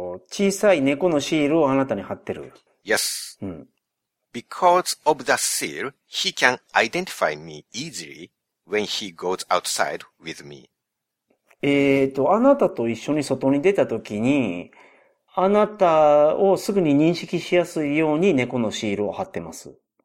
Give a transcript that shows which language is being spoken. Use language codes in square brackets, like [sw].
[ja] 小さい猫のシールをあなたに貼ってる。 [en] Yes.、 [ja] うん、 [en] Because of the seal, he can identify me easily when he goes outside with me. [ja] あなたと一緒に外に出たときに、あなたをすぐに認識しやすいように猫のシールを貼ってます。